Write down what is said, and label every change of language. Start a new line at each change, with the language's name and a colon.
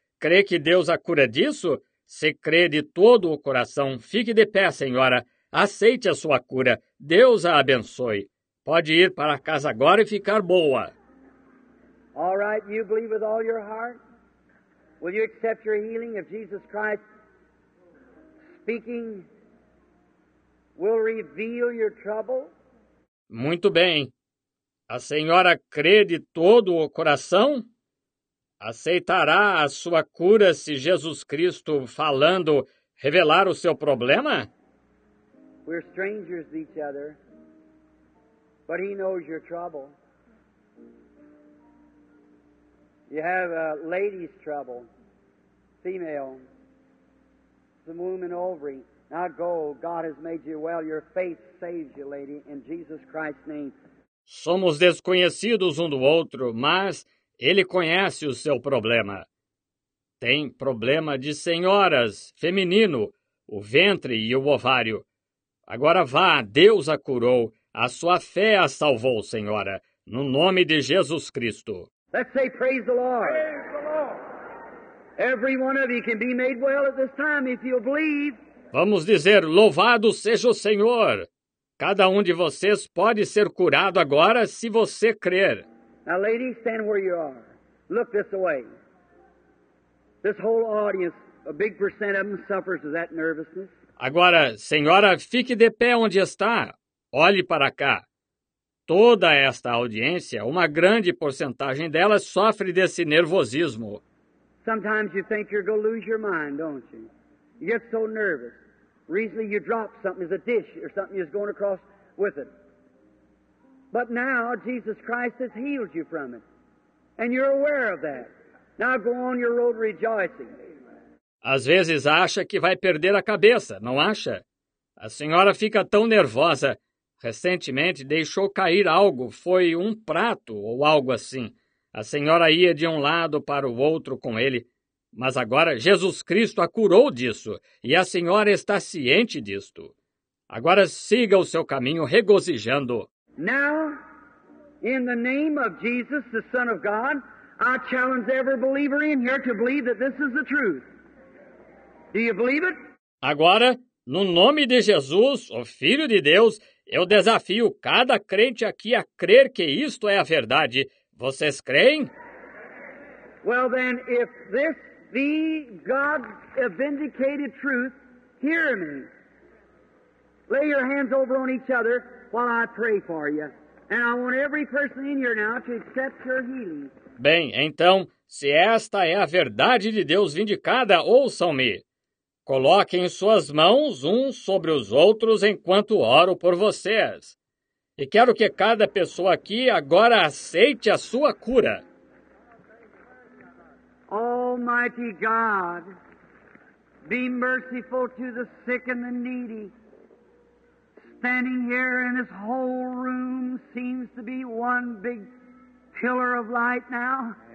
Portuguese: Crê que Deus a cura disso? Se crê de todo o coração, fique de pé, senhora. Aceite a sua cura. Deus a abençoe. Pode ir para casa agora e ficar boa.
English: All right, you believe with all your heart? Will you accept your healing if Jesus Christ speaking will reveal your trouble?
Portuguese: Muito bem. A senhora crê de todo o coração? Aceitará a sua cura se Jesus Cristo falando revelar o seu problema?
English: We're strangers to each other. But he knows your trouble. You have a lady's trouble, female, some woman ovary. Now go, God has made you well. Your faith saves you, lady, in Jesus Christ's name.
Portuguese: Somos desconhecidos do outro, mas ele conhece o seu problema. Tem problema de senhoras, feminino, o ventre e o ovário. Agora vá, Deus a curou. A sua fé a salvou, senhora, no nome de Jesus Cristo.
English: Let's say praise the Lord. Praise the Lord. Every one of you can be made well at this time if you believe.
Portuguese: Vamos dizer, louvado seja o Senhor. Cada de vocês pode ser curado agora se você crer.
English: Now, ladies, stand where you are. Look this way. This whole audience, a big percent of them suffers of that nervousness.
Portuguese: Agora, senhora, fique de pé onde está. Olhe para cá. Toda esta audiência, uma grande porcentagem delas sofre desse nervosismo.
English: Sometimes you think you're going to lose your mind, don't you? You get so nervous. Recently you drop something as a dish or something is going across with it. But now Jesus Christ has healed you from it. And you're aware of that. Now go on your road rejoicing.
Portuguese: Às vezes acha que vai perder a cabeça, não acha? A senhora fica tão nervosa. Recentemente deixou cair algo, foi um prato ou algo assim. A senhora ia de um lado para o outro com ele, mas agora Jesus Cristo a curou disso e a senhora está ciente disto. Agora siga o seu caminho regozijando.
English: Now, in the name of Jesus, the Son of God, I challenge every believer in here to believe that this is the truth. Do you believe it?
Portuguese: Agora, no nome de Jesus, o Filho de Deus, Eu desafio cada crente aqui a crer que isto é a verdade. Vocês creem?
English: Well then, if this be God's vindicated truth, hear me. Lay your hands over on each other while I pray for you. And I want every person in here now to accept your healing.
Portuguese: Bem, então, se esta é a verdade de Deus vindicada, ouçam-me. Coloquem suas mãos uns sobre os outros enquanto oro por vocês. E quero que cada pessoa aqui agora aceite a sua cura.
English: Almighty God, be merciful to the sick and the needy. Standing here in this whole room seems to be one big pillar of light now.